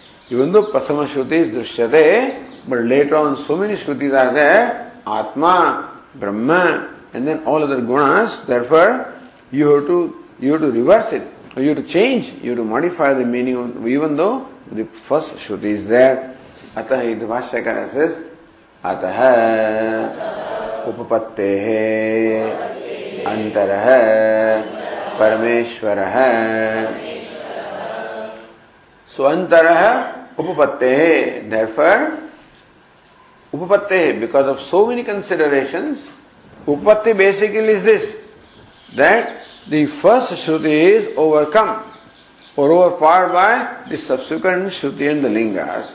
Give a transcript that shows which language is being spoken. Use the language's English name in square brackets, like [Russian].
[English] Even though prathama shruti is drushyate, but later on so many shrutis are there, atma, brahma, and then all other gunas, therefore you have to reverse it, or you have to change, you have to modify the meaning, even though the first shruti is there. [Sanskrit] अतः इति भाष्यकार says अतः उपपत्तेः अंतरः परमेश्वरः. सो अंतरः उपपत्तेः, [English] therefore उपपत्तेः, because of so many considerations, उपपत्ति basically is this, that the first shruti is overcome or overpowered by the subsequent Shruti and the Lingas.